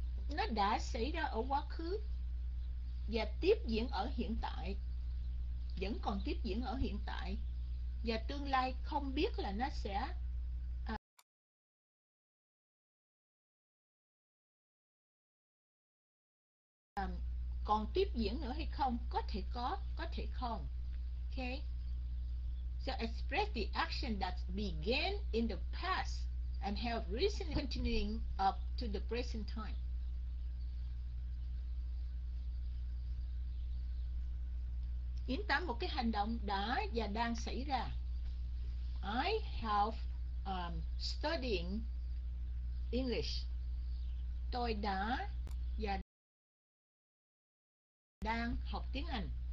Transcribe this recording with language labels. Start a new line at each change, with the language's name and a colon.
Vietnamese: nó đã xảy ra ở quá khứ và tiếp diễn ở hiện tại, vẫn còn tiếp diễn ở hiện tại và tương lai, không biết là nó sẽ còn tiếp diễn nữa hay không, có thể không.
English: Okay. So express the action that began in the past and have recently continuing up to the present time.
Vietnamese: Diễn tả một cái hành động đã và đang xảy ra.
English: I have studying English.
Vietnamese: Tôi đã và đang học tiếng Anh.